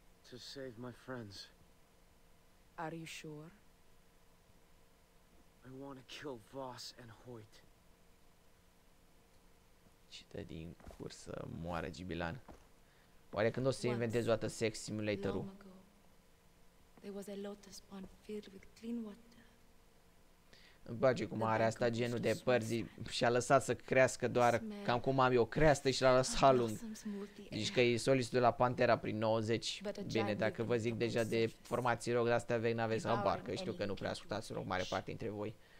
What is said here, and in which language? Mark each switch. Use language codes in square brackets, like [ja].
[en] To save my friends. Are you sure? I want to kill Voss and Hoyt. [ro] Ce dă din cursă, moară Gibilan. Oare când o să inventez o dată sex simulatorul? [en] There was a lotus pond filled with clean water. [ro] Îmi place cum are asta genul de păr zi, și-a lăsat să crească doar cam cum am eu creastă și l-a lăsat lung. Zici că e solistul de la Pantera prin 90. Bine, dacă vă zic deja de formații rock, de-astea vechi n-aveți habar, că știu că nu prea ascultați rock mare parte dintre voi.